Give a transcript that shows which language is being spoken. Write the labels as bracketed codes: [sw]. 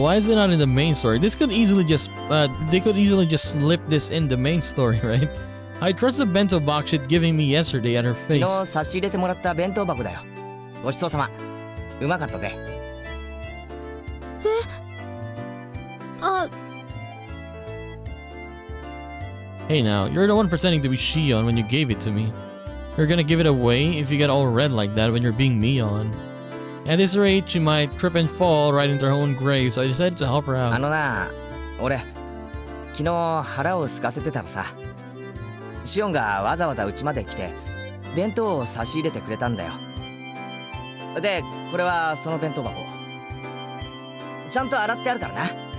[en] Why is it not in the main story? This could easily just, they could easily just slip this in the main story, right? I trust the bento box she'd given me yesterday at her face. [ja] 昨日差し入れてもらった弁当箱だよ。ごちそうさま。うまかったぜ。え？あ。 [en] Hey now, you're the one pretending to be Shion when you gave it to me. You're gonna give it away if you get all red like that when you're being Mion. At this rate, she might trip and fall right into her own grave, so I decided to help her out. [ja] あのな、俺、昨日腹を空かせてたらさ、シオンがわざわざうちまで来て、弁当を差し入れてくれたんだよ。で、これはその弁当箱。ちゃんと洗ってあるからな。